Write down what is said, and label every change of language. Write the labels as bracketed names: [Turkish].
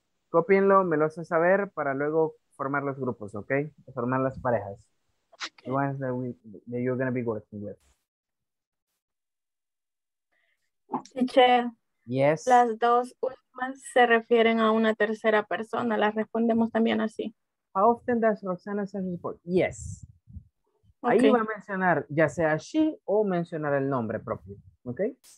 [Spanish] Copienlo, me lo hacen saber para luego formar los grupos, okay? Formar las parejas. Okay. [English] The ones that you're going to be working with. Teacher. Yes. [Spanish] Las dos últimas se refieren a una tercera persona, las respondemos también así. [English] How often does Roxana send report? Yes. Okay. [Spanish] Ahí va a mencionar ya sea she o mencionar el nombre propio, okay?